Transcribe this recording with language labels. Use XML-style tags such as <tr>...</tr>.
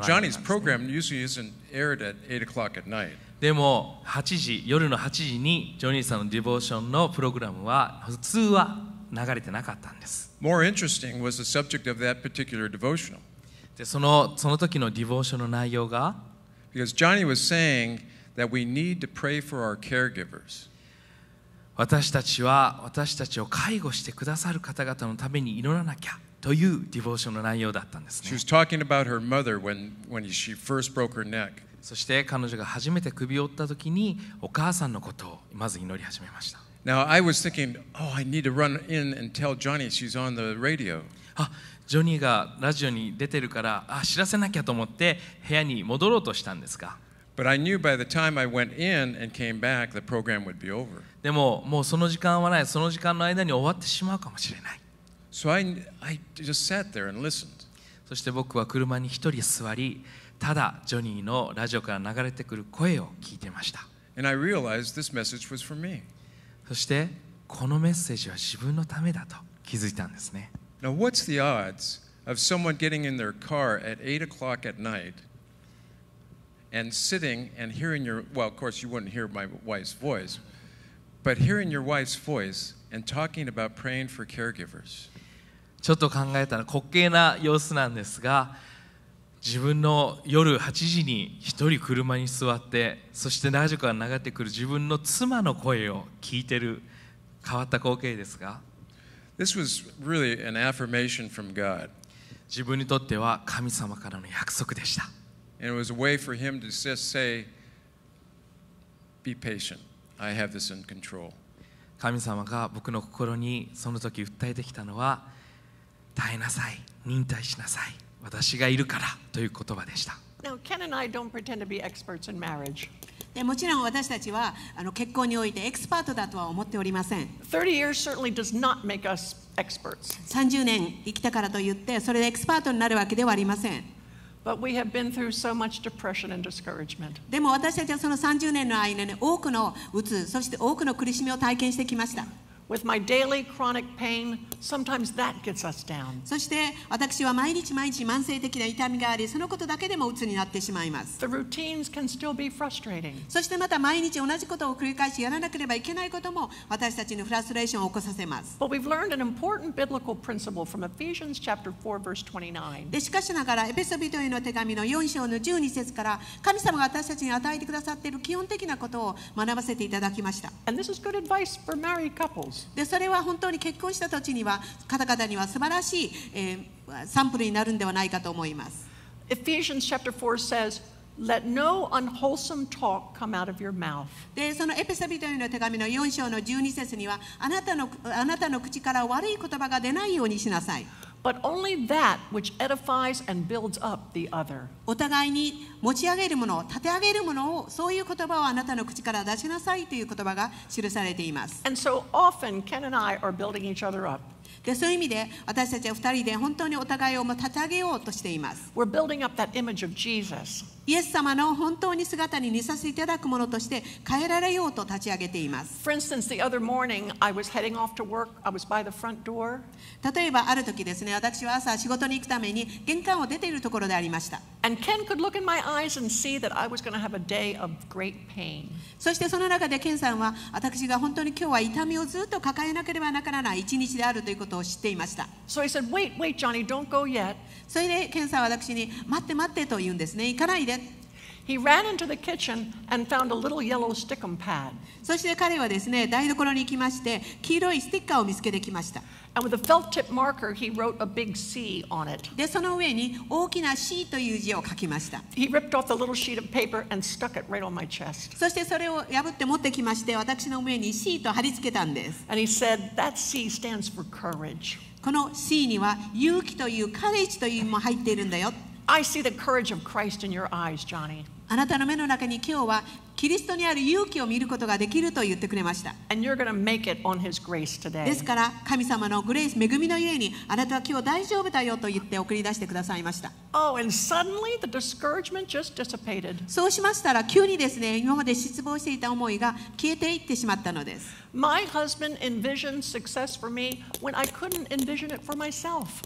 <ja>なかったんですね。でも8時、夜の8時にジョニーさんのディボーションのプログラムは普通は流れてなかったんです。</ja> <en>More interesting was the subject of that particular devotional.</en> <ja>でその時のディボーションの内容が</ja> <en>Because Johnny was saying that we need to pray for our caregivers.</en> <ja>私たちは私たちを介護してくださる方々のために祈らなきゃというディボーションの内容だったんですね。</ja> <en>She was talking about her mother when she first broke her neck.</en> <ja>そして彼女が初めて首を折った時にお母さんのことをまず祈り始めました。</ja> <en>Now I was thinking, oh, I need to run in and tell Johnny she's on the radio.</en> <ja>あ、ジョニーがラジオに出てるから、あ、知らせなきゃと思って部屋に戻ろうとしたんですが。</ja> <en>But I knew by the time I went in and came back, the program would be over.</en> <ja>でももうその時間はない、その時間の間に終わってしまうかもしれない。</ja> <en>So、I just sat there and listened.</en> <ja>そして僕は車に一人座り、ただジョニーのラジオから流れてくる声を聞いてました。</ja> <en>And I realized this message was for me.</en> <ja>そしてこのメッセージは自分のためだと気づいたんですね。</ja> <en>Now what's the odds of someone getting in their car at 8 o'clock at night and sitting and hearing your, well of course you wouldn't hear my wife's voice,But hearing your wife's voice and talking about praying for caregivers.</en> <ja>ちょっと考えたら滑稽な様子なんですが、自分の夜8時に一人車に座って、そしてラジオから流れてくる自分の妻の声を聞いてる変わった光景ですが、</ja> <en>This was really an affirmation from God.</en> <ja>自分にとっては神様からの約束でした。</ja> <en>And it was a way for him to just say, "Be patient." I have this in control.</en> <ja>神様が僕の心にその時訴えてきたのは耐えなさい、忍耐しなさい、私がいるからという言葉でした。</ja> <en>Now, Ken and I don't pretend to be experts in marriage.</en> <ja>でもちろん私たちは結婚においてエキスパートだとは思っておりません。</ja> <en>30 years certainly does not make us experts.</en> <ja>30年生きたからといってそれでエキスパートになるわけではありません。</ja> <en>But we have been through so much depression and discouragement.</en> <ja>でも私たちはその30年の間に多くの鬱、そして多くの苦しみを体験してきました。</ja> <en>With my daily chronic pain, sometimes that gets us down.</en> <ja>そして私は毎日毎日慢性的な痛みがあり、そのことだけでも鬱になってしまいます。</ja> <en>The routines can still be frustrating.</en> <ja>そしてまた毎日同じことを繰り返しやらなければいけないことも私たちにフラストレーションを起こさせます。</ja> <en>But we've learned an important biblical principle from Ephesians chapter 4 verse 29.</en> <ja>でしかしながらエペソ人への手紙の4章の12節から神様が私たちに与えてくださっている基本的なことを学ばせていただきました。</ja> <en>And this is good advice for married couples.</en> <ja>でそれは本当に結婚した時には方々には素晴らしい、サンプルになるのではないかと思います。</ja> <en>Ephesians chapter 4 says Let no unwholesome talk come out of your mouth.</en> <ja>でそのエペソ人への手紙の4章の12節にはあなたの口から悪い言葉が出ないようにしなさい。</ja> <en>But only that which edifies and builds up the other.</en> <ja>お互いに持ち上げるもの、立て上げるものを、そういう言葉をあなたの口から出しなさいという言葉が記されています。</ja> <en>And so often Ken and I are building each other up.</en> <ja>でそういう意味で私たちは2人で本当にお互いを立て上げようとしています。</ja> <en>We're building up that image of Jesus.</en> <ja>イエス様の本当に姿に似させていただくものとして変えられようと立ち上げています。</ja> <en>For instance, the other morning, I was heading off to work. I was by the front door.</en> <ja>例えばある時ですね、私は朝仕事に行くために玄関を出ているところでありました。</ja> <en>And Ken could look in my eyes and see that I was going to have a day of great pain.</en> <ja>そしてその中で Ken さんは私が本当に今日は痛みをずっと抱えなければならない一日であるということを知っていました。</ja> <en>So he said, wait, wait, Johnny, don't go yet.</en> <ja>それでケンさんは私に待って待ってと言うんですね。行かないで。</ja> <en>He ran into the kitchen and found a little yellow stickum pad.</en> <ja>そして彼はですね、台所に行きまして黄色いスティッカーを見つけてきました。</ja> <en>And with a felt tip marker, he wrote a big C on it.</en> <ja>でその上に大きな C という字を書きました。</ja> <en>He ripped off the little sheet of paper and stuck it right on my chest.</en> <ja>そしてそれを破って持ってきまして私の上に C と貼り付けたんです。</ja> <en>And he said that C stands for courage.</en> <ja>この C には勇気というカレッジというのも入っているんだよ。</ja> <en>I see the courage of Christ in your eyes, Johnny.</en> <ja>あなたの目の中に今日はキリストにある勇気を見ることができると言ってくれました。</ja> <en>And you're going to make it on His grace today.</en> <ja>ですから神様のグレース、恵みのゆえにあなたは今日大丈夫だよと言って送り出してくださいました。</ja> <en>Oh, and suddenly the discouragement just dissipated.</en> <ja>そうしましたら急にですね、今まで失望していた思いが消えていってしまったのです。</ja> <en>My husband envisioned success for me when I couldn't envision it for myself.</en>